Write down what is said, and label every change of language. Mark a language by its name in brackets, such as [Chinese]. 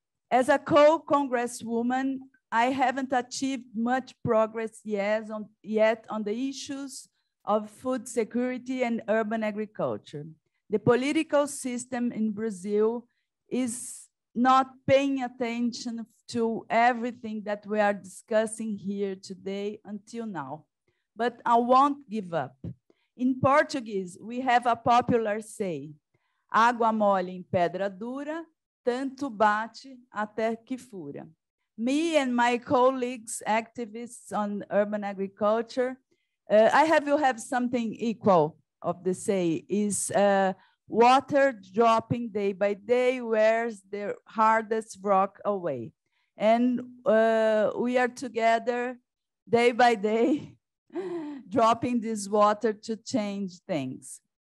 [English] As a co-congresswoman, I haven't achieved much progress yet on the issues of food security and urban agriculture. The political system in Brazil is not paying attention to everything that we are discussing here today until now. But I won't give up. In Portuguese, we have a popular say, [Portuguese] água mole em pedra dura, tanto bate até que fura. [English] Me and my colleagues, activists on urban agriculture, you have something equal of the say, is water dropping day by day wears the hardest rock away. And we are together day by day, dropping this water to change things.